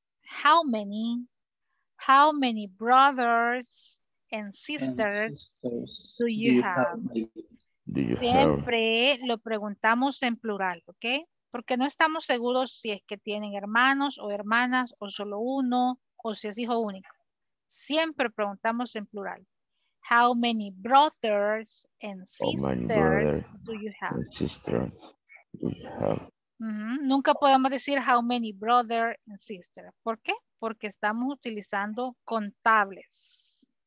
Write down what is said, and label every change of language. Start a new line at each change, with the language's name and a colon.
English: How many brothers and sisters do you have?
Spanish: Siempre lo preguntamos en plural, ¿ok? Porque no estamos seguros si es que tienen hermanos o hermanas o solo uno o si es hijo único. Siempre preguntamos en plural.
English: How many brothers and sisters do you have?
Spanish: Mm-hmm. Nunca podemos decir how many brothers and sisters. ¿Por qué? Porque estamos utilizando contables.